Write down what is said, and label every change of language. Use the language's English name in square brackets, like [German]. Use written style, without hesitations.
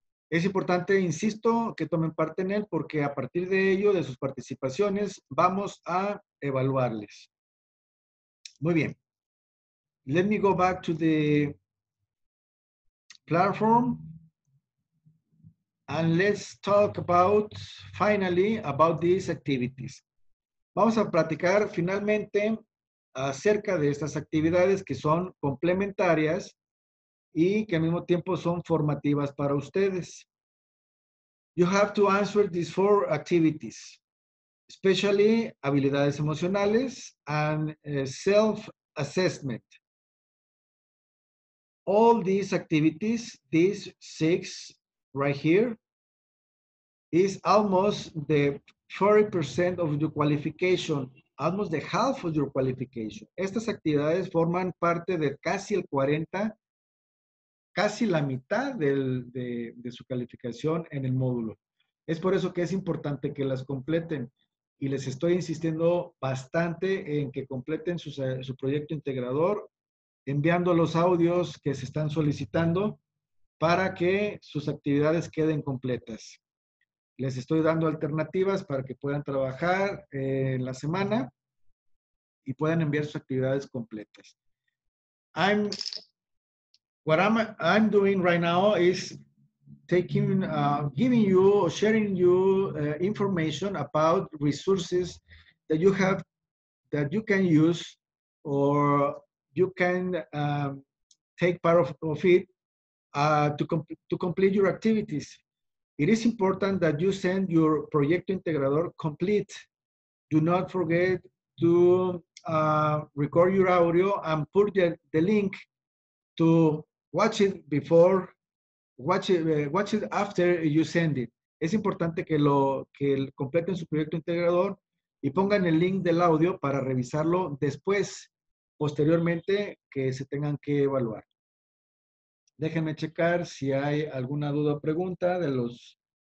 [Spanish] Es importante, insisto, que tomen parte en él porque a partir de ello, de sus participaciones, vamos a evaluarles. Muy bien. [English] Let me go back to the platform and let's talk about, finally, about these activities. [Spanish] Vamos a platicar finalmente acerca de estas actividades que son complementarias y que al mismo tiempo son formativas para ustedes. [English] You have to answer these 4 activities, especially [Spanish] habilidades emocionales [English] and self-assessment. All these activities, these 6 right here, is almost the 40% of your qualification, almost the half of your qualification. [Spanish] Estas actividades forman parte de casi el 40%. Casi la mitad de su calificación en el módulo. Es por eso que es importante que las completen. y les estoy insistiendo bastante en que completen su proyecto integrador, enviando los audios que se están solicitando para que sus actividades queden completas. Les estoy dando alternativas para que puedan trabajar en la semana y puedan enviar sus actividades completas. [English] What I'm doing right now is sharing information about resources that you have, that you can use, or you can take part of it to complete your activities. It is important that you send your proyecto integrador complete. Do not forget to record your audio and put the link to watch it before, watch it after you send it. [Spanish] Es importante que completen su proyecto integrador y pongan el link del audio para revisarlo después, posteriormente, que se tengan que evaluar. Déjenme checar si hay alguna duda o pregunta de los...